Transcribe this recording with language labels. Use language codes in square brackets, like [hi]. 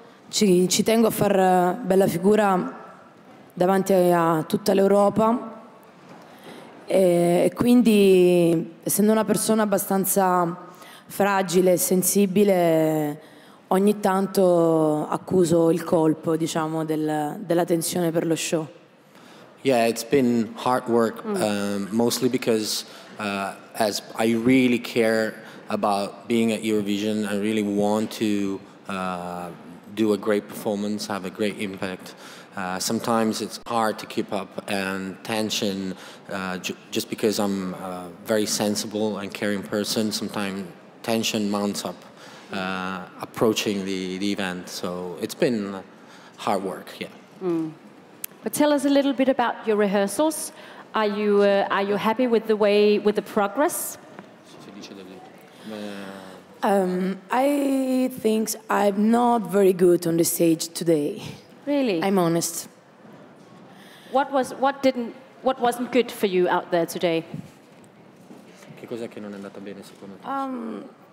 [it] Ci tengo a far bella figura davanti a tutta l'Europa e quindi essendo una persona abbastanza fragile e sensibile ogni tanto accuso il colpo diciamo della tensione per lo show. [en] Yeah, it's been hard work mostly because as I really care about being at Eurovision, I really want to do a great performance, have a great impact. Sometimes it's hard to keep up and tension just because I'm a very sensible and caring person. Sometimes tension mounts up approaching the event. So it's been hard work, yeah. Mm. But tell us a little bit about your rehearsals. Are you happy with the way, with the progress? I think I'm not very good on the stage today. Really? I'm honest. What wasn't good for you out there today? [it] Che cosa che non è andata bene secondo te?